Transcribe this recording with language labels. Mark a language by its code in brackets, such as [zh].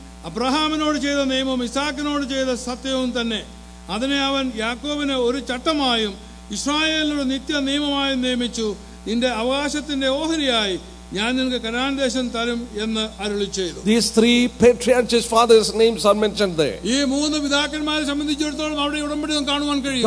[ml] അബ്രഹാമിനോട് ചെയ്ത നിയമവും ഇസാക്കിനോട് ചെയ്ത സത്യവും തന്നെ അതിനെ അവൻ യാക്കോബിന് ഒരു ചട്ടമായും ഇസ്രായേലിനോട് നിത്യ നിയമമായും നിയമിച്ചു നിന്റെ അവകാശത്തിന്റെ ഓഹരിയായി ഞാൻ നിനക്ക് കനാൻ ദേശം തരും എന്ന് അരുളി ചെയ്തു. [en] These three patriarchs fathers' names are mentioned there. [ml] ഈ മൂന്ന് പിതാക്കന്മാരെ സംബന്ധിച്ചിടത്തോളം അവിടെ ഉടമ്പടി കാണുവാൻ കഴിയും.